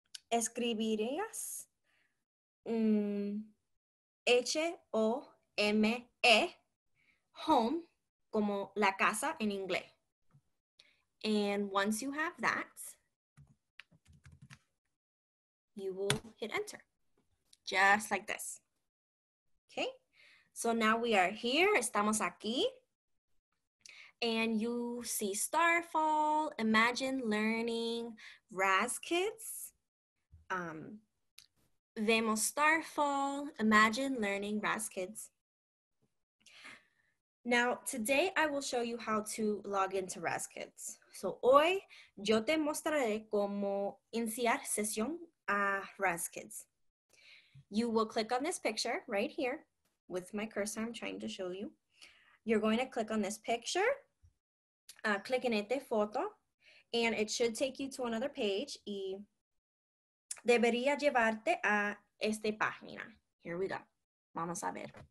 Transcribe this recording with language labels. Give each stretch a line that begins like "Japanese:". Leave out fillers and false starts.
Spanish: Escribirás H-O-M-E, home, como la casa en inglés.
English: And once you have that, you will hit enter, just like this. Okay, so now we are here,
Spanish: estamos aquí.
English: And you see Starfall, Imagine Learning, Raz Kids.
Spanish: Vemos Starfall, Imagine Learning, Raz Kids.
English: Now, today I will show you how to log into Raz Kids.
Spanish: So hoy yo te mostraré cómo iniciar sesión a Raz Kids.
English: You will click on this picture right here with my cursor I'm trying to show you. You're going to click on this picture,
Spanish: click en este foto,
English: and it should take you to another page
Spanish: y debería llevarte a esta página.
English: Here we go.
Spanish: Vamos a ver.